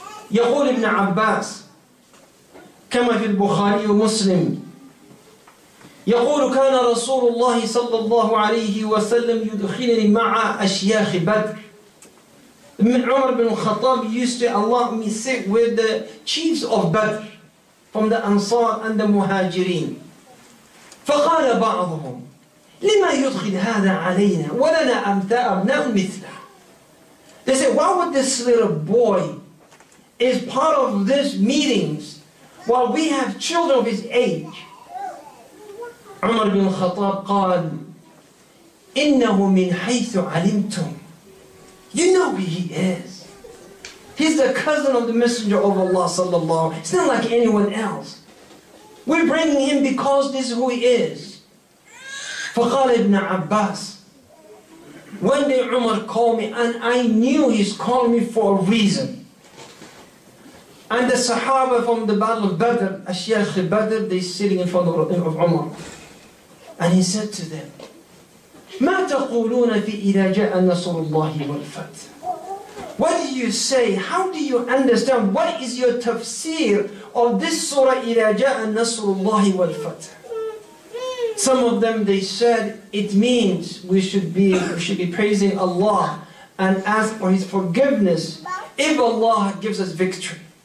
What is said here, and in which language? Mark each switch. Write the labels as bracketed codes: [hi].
[ar] يقول ابن عباس كما في البخاري ومسلم, يقول كان رسول الله صلى الله عليه وسلم يدخلني مع أشياخ بدر. [en] عمر بن الخطاب used to allow me sit with the chiefs of Badr from the Ansar and the Muhajirin. [ar] فقال بعضهم لما يدخل هذا علينا ولنا أمثاء أبناء مثله. [en] They say, why would this little boy is part of these meetings while we have children of his age? [ar] عمر بن الخطاب قال إنه من حيث علمتم. [en] You know who he is. He's the cousin of the Messenger of Allah صلى الله عليه وسلم. It's not like anyone else. We're bringing him because this is who he is. [ar] فقال ابن عباس, [en] one day Umar called me and I knew he's calling me for a reason. And the Sahaba from the Battle of Badr, Ashyakh Badr, they're sitting in front of Umar. And he said to them, [ar] ما تقولون في إذا جاء نصر الله والفتح. [en] What do you say? How do you understand? What is your tafsir of this surah, [ar] إذا جاء نصر الله والفتح? [en] Some of them, they said, it means we should be praising Allah and ask for His forgiveness if Allah gives us victory.